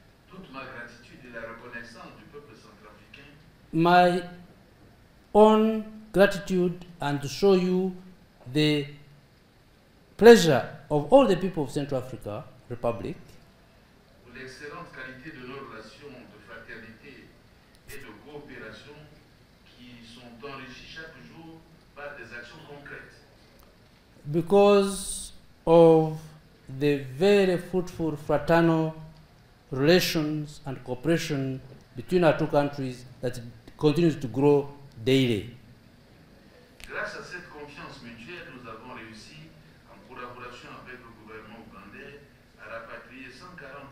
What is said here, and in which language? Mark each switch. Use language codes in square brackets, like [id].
[fr] Toute ma gratitude et la reconnaissance du peuple centrafricain. [en] My own gratitude and to show you the pleasure of all the people of Central Africa Republic. [fr] Pour l'excellente qualité de nos relations de fraternité et de coopération qui sont enrichies chaque jour par des actions concrètes. [en] Because of the very fruitful fraternal relations and cooperation between our two countries that continues to grow daily. [fr] Grâce à cette confiance mutuelle, nous avons réussi, en collaboration avec le gouvernement ougandais, à rapatrier 140